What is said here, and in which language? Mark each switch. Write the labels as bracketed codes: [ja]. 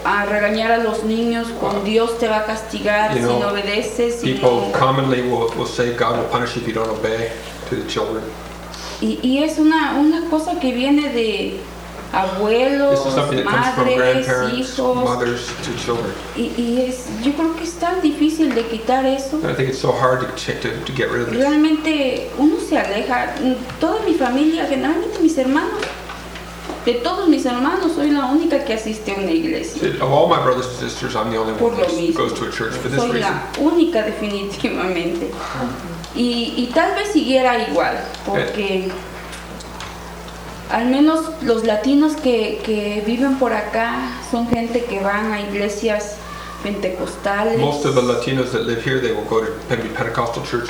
[es] a regañar a los niños, con Dios te va a castigar, [en] you know, [es] si no obedeces. [en] People commonly will say God will punish you if you don't obey to the children. [es] Y es una cosa que viene de abuelos, madres, hijos, [en] mothers to children. [es] Y es, yo creo que es tan difícil de quitar eso. [en] And I think it's so hard to get rid of this. [es] Realmente uno se aleja. Toda mi familia, generalmente mis hermanos, de todos mis hermanos, soy la única que asiste a una iglesia. [en] Of all my brothers and sisters, I'm the only [es] por [en] one that goes to a church for this [es] soy [en] reason. [es] Soy la única definitivamente. Y tal vez siguiera igual, porque. Al menos los latinos que viven por acá son gente que van a iglesias pentecostales. [en] Most of the Latinos that live here, they will go to Pentecostal churches.